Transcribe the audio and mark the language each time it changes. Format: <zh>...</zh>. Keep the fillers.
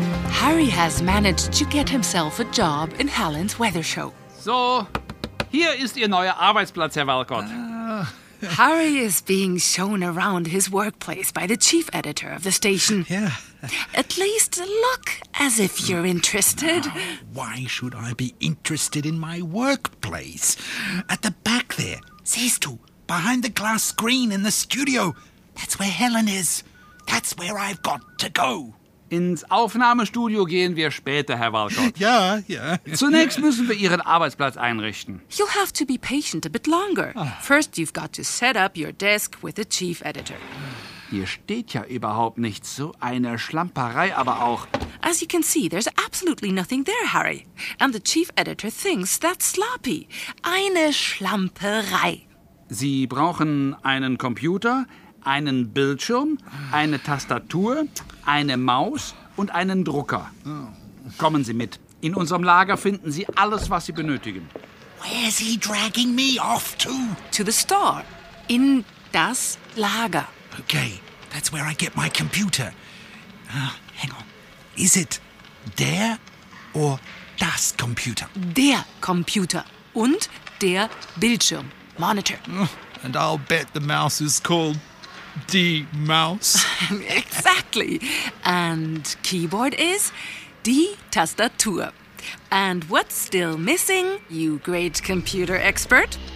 <en>Harry has managed to get himself a job in Helen's Weather Show.</en> <de>So, hier ist Ihr neuer Arbeitsplatz, Herr Walcott. Ah.</de> <en>Harry is being shown around his workplace by the chief editor of the station. Yeah. At least look as if you're interested. Now, why should I be interested in my workplace? At the back there, these two, behind the glass screen in the studio, that's where Helen is. That's where I've got to go.</en> <de>Ins Aufnahmestudio gehen wir später, Herr Walcott. Ja, ja. Zunächst müssen wir Ihren Arbeitsplatz einrichten.</de> <en>You'll have to be patient a bit longer. First you've got to set up your desk with the chief editor.</en> <de>Hier steht ja überhaupt nichts. So eine Schlamperei aber auch.</de> <en>As you can see, there's absolutely nothing there, Harry. And the chief editor thinks that's sloppy.</en> <de>Eine Schlamperei. Sie brauchen einen Computer, einen Bildschirm, eine Tastatur, eine Maus und einen Drucker. Kommen Sie mit. In unserem Lager finden Sie alles, was Sie benötigen.</de> <en>Where is he dragging me off to? To the store.</en> <de>In das Lager.</de> <en>Okay, that's where I get my computer. Uh, hang on. Is it der or das Computer?</en> <de>Der Computer und der Bildschirm.</de> <en>Monitor. And I'll bet the mouse is called The mouse. exactly. And keyboard is D tastatur. And what's still missing, you great computer expert?</en>